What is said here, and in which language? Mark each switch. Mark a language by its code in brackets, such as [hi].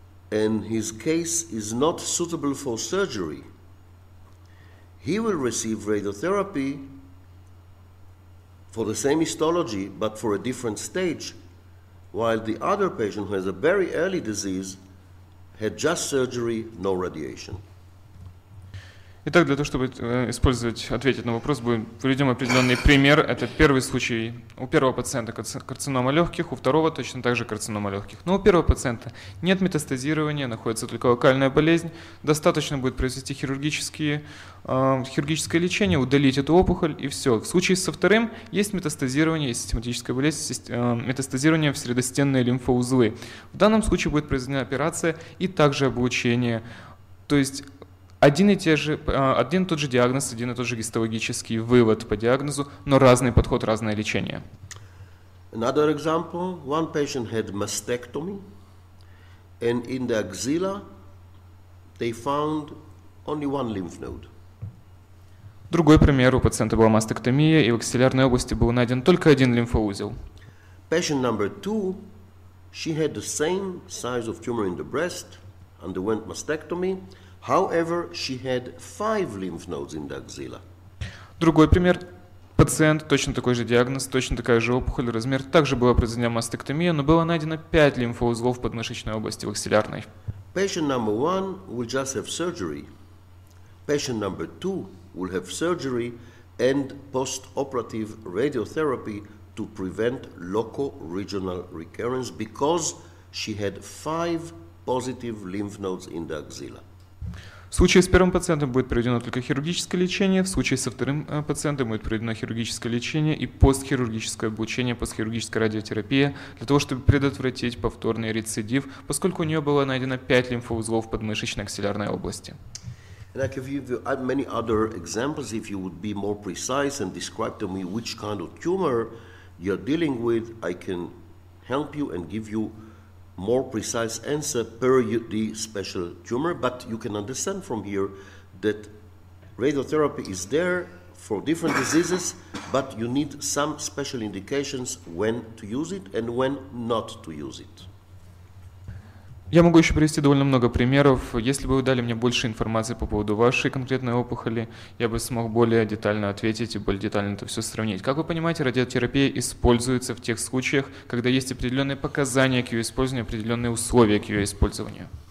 [en] And his case is not suitable for surgery. He will receive radiotherapy for the same histology, but for a different stage, while the other patient who has a very early disease had just surgery, no radiation. [ru] Итак, для того, чтобы ответить на вопрос, приведем определенный пример. Это первый случай у первого пациента карцинома легких, у второго точно так же карцинома легких. Но у первого пациента нет метастазирования, находится только локальная болезнь. Достаточно будет произвести хирургическое лечение, удалить эту опухоль и все. В случае со вторым есть метастазирование, есть систематическая болезнь, метастазирование в средостенные лимфоузлы. В данном случае будет произведена операция и также облучение. То есть один и тот же диагноз, один и тот же гистологический вывод по диагнозу, но разный подход, разное лечение. [en] Another example, one patient had mastectomy, and in the axilla they found only one lymph node. [ru] Другой пример, у пациента была мастектомия, и в аксиллярной области был найден только один лимфоузел. [en] Patient number two, she had the same size of tumor in the breast, underwent mastectomy. However, she had five lymph nodes in the axilla. [ru] Другой пример. Пациент, точно такой же диагноз, точно такая же опухоль, размер, также была произведена мастектомия, но было найдено 5 лимфоузлов в подмышечной области, в аксиллярной. [en] Patient number one will just have surgery. Patient number two will have surgery and post-operative radiotherapy to prevent local regional recurrence because she had 5 positive lymph nodes in the axilla. [ru] В случае с первым пациентом будет проведено только хирургическое лечение, в случае со вторым пациентом будет проведено хирургическое лечение и постхирургическое облучение, постхирургическая радиотерапия для того, чтобы предотвратить повторный рецидив, поскольку у нее было найдено 5 лимфоузлов в подмышечной аксиллярной области. [en] And I can give you many other examples if you would be more precise and describe to me which kind of tumor you're dealing with. I can help you and give you more precise answer per the special tumor. But you can understand from here that radiotherapy is there for different diseases, but you need some special indications when to use it and when not to use it. [ru] Я могу еще привести довольно много примеров. Если бы вы дали мне больше информации по поводу вашей конкретной опухоли, я бы смог более детально ответить и более детально это все сравнить. Как вы понимаете, радиотерапия используется в тех случаях, когда есть определенные показания к ее использованию, определенные условия к ее использованию.